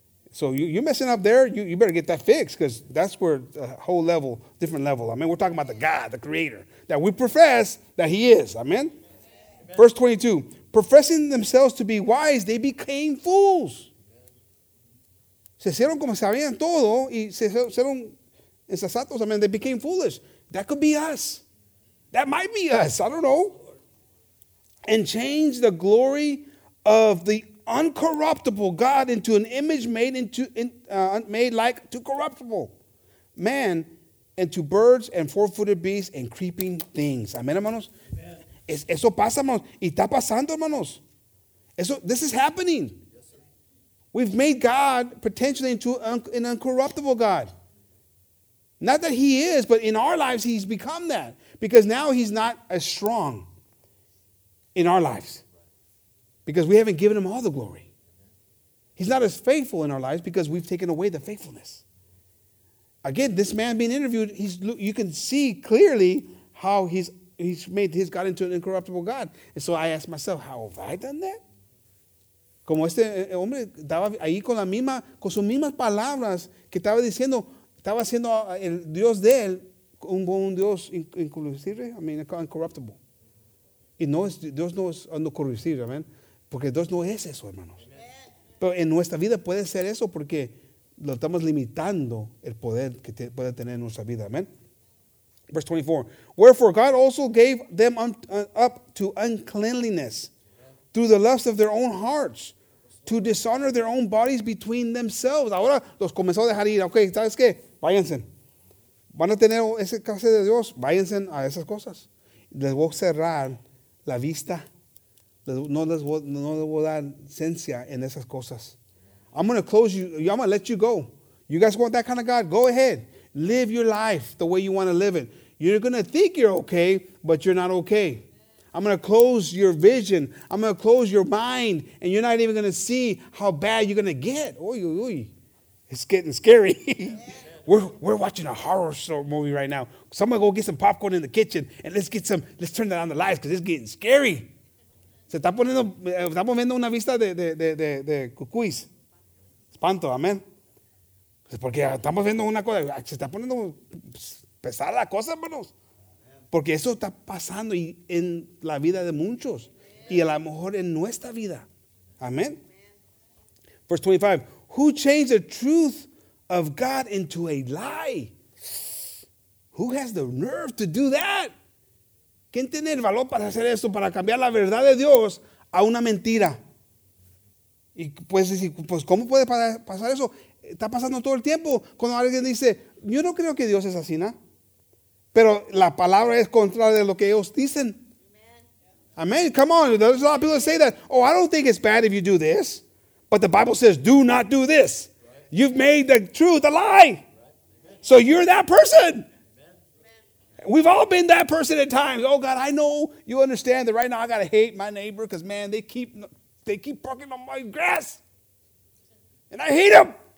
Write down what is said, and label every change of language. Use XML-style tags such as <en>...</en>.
<en>So you're messing up there, you better get that fixed, because that's where a whole level, different level. I mean, we're talking about the God, the creator, that we profess that he is. Amen? Amen. Verse 22, professing themselves to be wise, they became fools.</en> <es>Se hicieron como sabían todo y se hicieron insensatos.</es> <en>I mean, they became foolish. That could be us. That might be us. I don't know. And changed the glory of the uncorruptible God into an image made into made like to corruptible man and to birds and four-footed beasts and creeping things.</en> <es>Amen, hermanos. Amen. Eso pasa, hermanos. Y está pasando, hermanos.</es> <en>Eso, this is happening. We've made God potentially into an uncorruptible God. Not that he is, but in our lives he's become that. Because now he's not as strong in our lives. Because we haven't given him all the glory. He's not as faithful in our lives because we've taken away the faithfulness. Again, this man being interviewed, you can see clearly how he's made his God into an incorruptible God. And so I ask myself, how have I done that?</en> <es>Como este hombre estaba ahí con la misma, con sus mismas palabras que estaba diciendo, estaba haciendo el Dios de él un Dios incorruptible,</es> <en>I mean, incorruptible.</en> <es>Y no es, Dios no es incorruptible, amén. Porque Dios no es eso, hermanos. Amen. Pero en nuestra vida puede ser eso porque lo estamos limitando el poder que puede tener en nuestra vida, amén.</es> <en>Verse 24, wherefore God also gave them up to uncleanliness, through the lust of their own hearts, to dishonor their own bodies between themselves.</en> <es>Ahora los comenzó a dejar ir. Ok, ¿sabes qué? Váyanse. Van a tener ese clase de Dios. Váyanse a esas cosas. Les voy a cerrar la vista. No les voy a dar licencia en esas cosas.</es> <en>I'm going to close you. I'm going to let you go. You guys want that kind of God? Go ahead. Live your life the way you want to live it. You're going to think you're okay, but you're not okay. I'm going to close your vision. I'm going to close your mind. And you're not even going to see how bad you're going to get. Oy, oy, oy. It's getting scary. We're watching a horror show movie right now. Somebody go get some popcorn in the kitchen. And let's turn down the lights because it's getting scary.</en> <es>Se está poniendo, estamos viendo una vista de cucuis. Espanto, amén. Porque estamos viendo una cosa. Se está poniendo pesada la cosa, hermanos. Porque eso está pasando y en la vida de muchos. Y a lo mejor en nuestra vida. Amén.</es> <en>Verse 25. Who changed the truth of God into a lie? Who has the nerve to do that?</en> <es>¿Quién tiene el valor para hacer eso? Para cambiar la verdad de Dios a una mentira. Y puedes decir, pues, ¿cómo puede pasar eso? Está pasando todo el tiempo. Cuando alguien dice, yo no creo que Dios es así, ¿no? Pero la palabra es contraria de lo que ellos dicen.</es> <en>Amen. Amen. Come on. There's a lot of people that say that. Oh, I don't think it's bad if you do this. But the Bible says, do not do this. Right. You've made the truth a lie. Right. So you're that person. Amen. We've all been that person at times. Oh, God, I know you understand that right now I got to hate my neighbor because, man, they keep parking on my grass. And I hate them.</en>